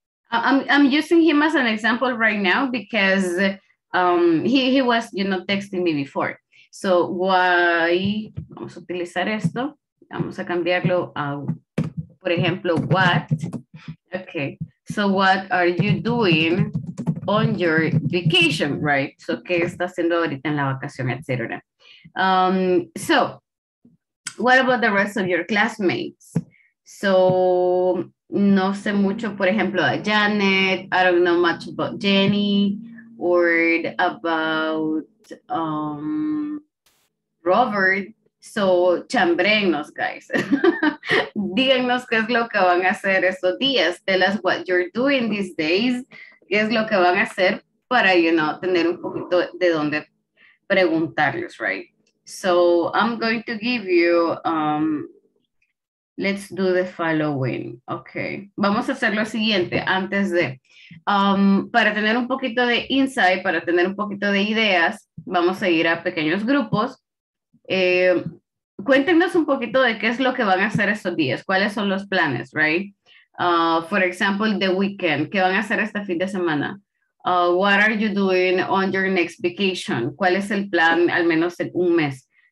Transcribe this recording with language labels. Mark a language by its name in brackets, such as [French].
[English] I'm using him as an example right now because he was, you know, texting me before. So why, [Spanish] vamos a utilizar esto. Vamos a cambiarlo a, por ejemplo, [English] what. Okay. So what are you doing on your vacation, right? So [Spanish] ¿qué está haciendo ahorita en la vacación, etc.? [English] So what about the rest of your classmates? So [Spanish] no sé mucho, por ejemplo, a Janet. [English] I don't know much about Jenny or about Robert. So [Spanish] chambrenos, [English] guys. [Spanish] Díganos qué es lo que van a hacer estos días. [English] Tell us what you're doing these days. [Spanish] Qué es lo que van a hacer para, [English] you know, [Spanish] tener un poquito de dónde preguntarles, [English] right? So I'm going to give you, let's do the following. Okay. [Spanish] Vamos a hacer lo siguiente antes de, para tener un poquito de insight, para tener un poquito de ideas, vamos a ir a pequeños grupos. Cuéntenos un poquito de qué es lo que van a hacer estos días, cuáles son los planes, [English] right? For example, the weekend, [Spanish] ¿qué van a hacer este fin de semana? [English] What are you doing on your next vacation? [Spanish] ¿Cuál es el plan al menos en un mes?